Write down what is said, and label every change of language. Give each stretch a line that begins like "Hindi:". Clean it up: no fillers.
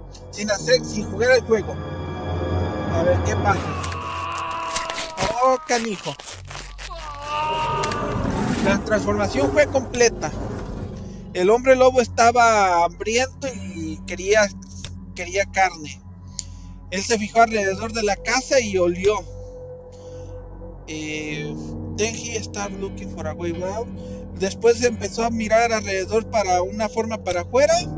Spanish: Sin jugar el juego. A ver qué pasa. Oh, canijo. La transformación fue completa. El hombre lobo estaba hambriento y quería carne. Él se fijó alrededor de la casa y olió.
English: Then he started looking for a way out.
Spanish: Después empezó a mirar alrededor para una forma para afuera.